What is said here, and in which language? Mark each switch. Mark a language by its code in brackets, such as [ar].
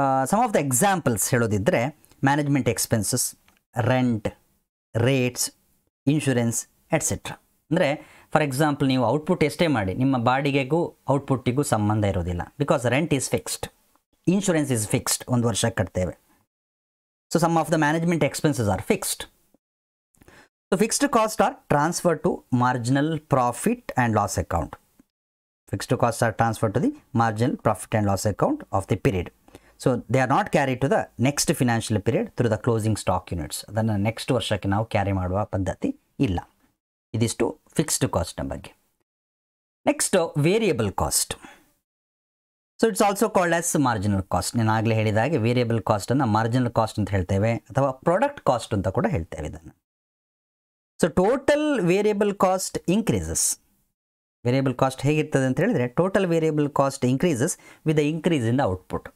[en] Some of the examples ಹೇಳೋದಿದ್ದರೆ management expenses, rent, rates, insurance etcetera. [kn] ಅಂದರೆ for example, ನೀವು output ಎಷ್ಟೇ ಮಾಡಿ ನಿಮ್ಮ ಬಾಡಿಗೆಗೂ ಔಟ್ಪುಟ್ಟಿಗೂ ಸಂಬಂಧ ಇರೋದಿಲ್ಲ, [en] because rent is fixed, insurance is fixed, [kn] ಒಂದು ವರ್ಷಕ್ಕೆ ಕಟ್ತೇವೆ. [en] So some of the management expenses are fixed. So fixed costs are transferred to marginal profit and loss account. Fixed costs are transferred to the marginal profit and loss account of the period. So they are not carried to the next financial period through the closing stock units. Then the next [kn] varshakke now carry maduva paddhati illa. [en] It is to fixed cost number. Next, variable cost. So it's also called as marginal cost. [kn] ನಾನಾಗಲೇ ಹೇಳಿದ ಹಾಗೆ variable ಕಾಸ್ಟನ್ನು marginal cost ಅಂತ ಹೇಳ್ತೇವೆ, ಅಥವಾ product cost ಅಂತ ಕೂಡ ಹೇಳ್ತೇವೆ ಇದನ್ನು. [en] so total variable cost increases, [kn] variable cost ಹೇಗಿರ್ತದೆ ಅಂತ ಹೇಳಿದರೆ [en] Total variable cost increases with increase in the output.